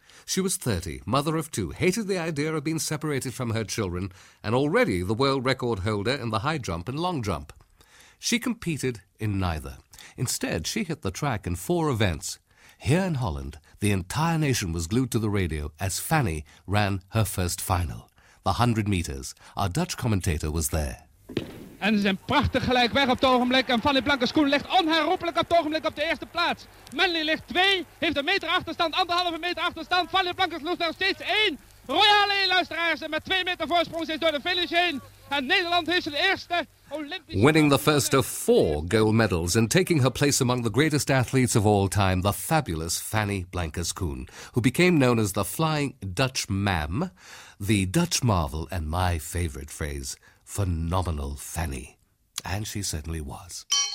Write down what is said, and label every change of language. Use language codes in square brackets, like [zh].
[en] She was 30, mother of two, hated the idea of being separated from her children, and already the world record holder in the high jump and long jump. She competed in neither. Instead, she hit the track in four events. Here in Holland, the entire nation was glued to the radio as Fanny ran her first final, the 100 meters. Our Dutch commentator was there. [nl] En ze zijn prachtig gelijk weg op het ogenblik. En Fanny Blankers-Koen ligt onherroepelijk op het ogenblik op de eerste plaats. Manley ligt 2, heeft een meter achterstand, anderhalve meter achterstand. Fanny Blankers-Koen nog steeds 1. Royale luisteraars, en met 2 meter voorsprong is door de finish heen. En Nederland heeft zijn eerste Olympische... [en] Winning the first of 4 gold medals and taking her place among the greatest athletes of all time, the fabulous Fanny Blankers-Koen, who became known as the Flying Dutch Mam, the Dutch Marvel, and my favorite phrase... Phenomenal Fanny. And she certainly was.